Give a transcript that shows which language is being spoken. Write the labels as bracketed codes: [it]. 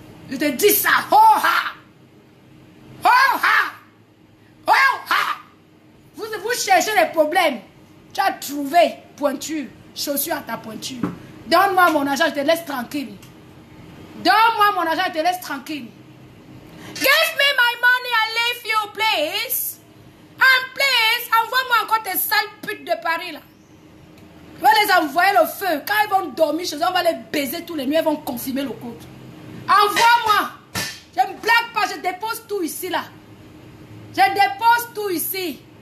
[fr] Je te dis ça. Ho ha! Ho ha! Ho ha! Vous cherchez des problèmes. Tu as trouvé pointure. Chaussure à ta pointure. Donne-moi mon argent, je te laisse tranquille. Donne-moi mon argent, je te laisse tranquille. [en] Give me my money and leave you, please. And please, [fr] envoie-moi encore tes sales putes de Paris, là. Va les envoyer le feu. Quand ils vont dormir chez eux, on va les baiser tous les nuits. Ils vont consumer le couple. Envoie-moi. Je ne blague pas. Je dépose tout ici, là. Je dépose tout ici.